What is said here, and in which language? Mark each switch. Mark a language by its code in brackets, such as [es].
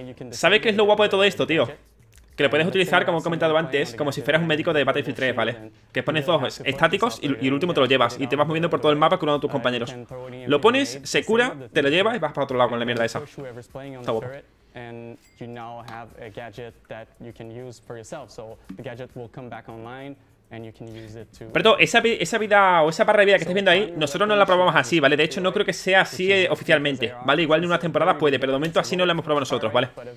[es] ¿Sabes qué es lo guapo de todo esto, tío? Que lo puedes utilizar, como he comentado antes, como si fueras un médico de Battlefield 3, ¿vale? Que pones dos estáticos y el último te lo llevas y te vas moviendo por todo el mapa curando a tus compañeros. Lo pones, se cura, te lo llevas y vas para otro lado con la mierda esa. Está guapo. [en] And you now have a gadget that you can use for yourself. So the gadget will come back online and you can use it to. [es] Perdón, esa vida o esa barra de vida que estás viendo ahí, nosotros no la probamos así, ¿vale? De hecho, no creo que sea así oficialmente, ¿vale? Igual en unas temporadas puede, pero de momento así no la hemos probado nosotros, ¿vale?